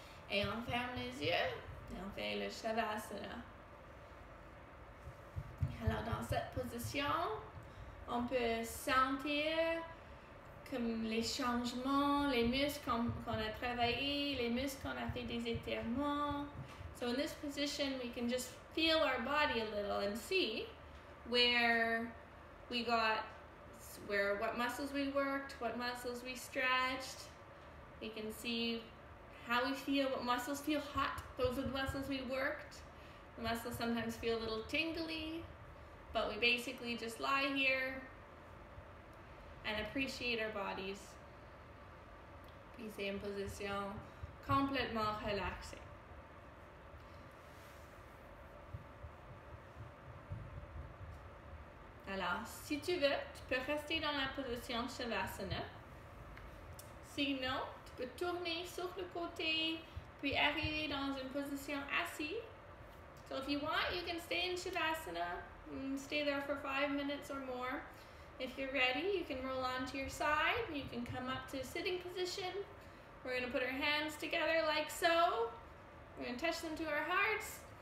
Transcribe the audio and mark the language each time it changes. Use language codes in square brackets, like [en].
[fr] Et on ferme les yeux et on fait le shavasana. Alors dans cette position, on peut sentir comme les changements, les muscles qu'on a travaillés, les muscles qu'on a fait des étirements. [en] So in this position, we can just feel our body a little and see where we got, where what muscles we worked, what muscles we stretched. We can see how we feel, what muscles feel hot. Those are the muscles we worked. The muscles sometimes feel a little tingly. But we basically just lie here and appreciate our bodies. [fr] Puis c'est une position complètement relaxée. Alors, si tu veux, tu peux rester dans la position shavasana. Sinon, tu peux tourner sur le côté, puis arriver dans une position assise. [en] So if you want, you can stay in Shavasana and stay there for 5 minutes or more. If you're ready, you can roll onto your side. You can come up to a sitting position. We're going to put our hands together like so. We're going to touch them to our hearts.